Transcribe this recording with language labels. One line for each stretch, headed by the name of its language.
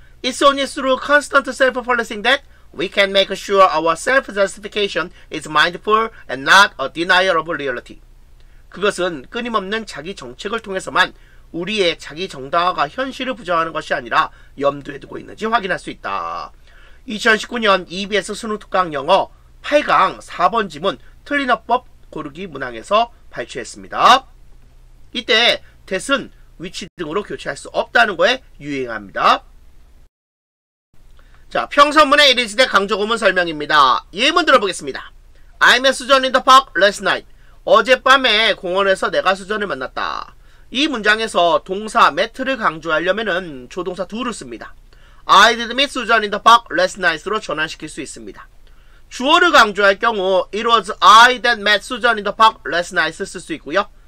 English: It's only through constant self-policing that we can make sure our self-justification is mindful and not a denial of reality.
Korean: 그것은 끊임없는 자기 정책을 통해서만 우리의 자기 정당화가 현실을 부정하는 것이 아니라 염두에 두고 있는지 확인할 수 있다. 2019년 EBS 수능특강 영어 8강 4번 지문 틀린어법 고르기 문항에서 발췌했습니다. 이때 that은 which 등으로 교체할 수 없다는 거에 유의합니다. 자, 평서문의 It is that 강조구문 설명입니다. 예문 들어보겠습니다.
English: I met Susan in the park last night.
Korean: 어젯밤에 공원에서 내가 수전을 만났다. 이 문장에서 동사 met를 강조하려면 조동사 do를 씁니다.
English: I did meet Susan in the park last night로
Korean: 전환시킬 수 있습니다. 주어를 강조할 경우
English: It was I that met Susan in the park last night
Korean: 쓸 수 있고요.